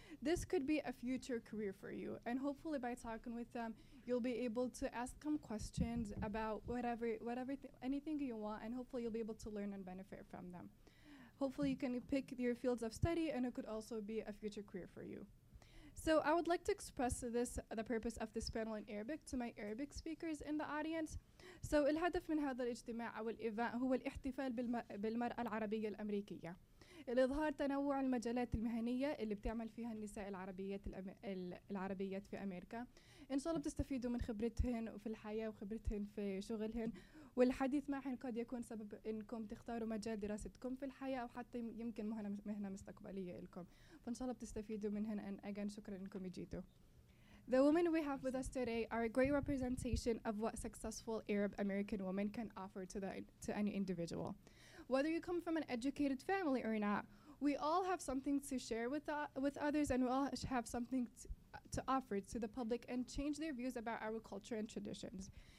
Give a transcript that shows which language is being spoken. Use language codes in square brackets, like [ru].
[en] This could be a future career for you, and hopefully by talking with them, you'll be able to ask them questions about anything you want, and hopefully you'll be able to learn and benefit from them. Hopefully you can pick your fields of study, and it could also be a future career for you. So I would like to express the purpose of this panel in Arabic to my Arabic speakers in the audience. [ar] So الهدف من هذا الاجتماع أو الإيفنت هو الاحتفال بالمرأة العربية الأمريكية لإظهار تنوع المجالات المهنية اللي بتعمل فيها النساء العربيات في أمريكا. إن شاء الله بتستفيدوا من خبرتهن في الحياة وخبرتهن في شغلهن. والحديث معهن قد يكون سبب إنكم تختاروا مجال دراستكم في الحياة أو حتى يمكن مهنة مستقبلية لكم. فإن شاء الله بتستفيدوا منهن. [en] And again, [ar] شكرا إنكم جيتوا. [en] The women we have with us today are a great representation of what successful Arab American women can offer to any individual. Whether you come from an educated family or not, we all have something to share with others, and we all have something to offer to the public and change their views about our culture and traditions.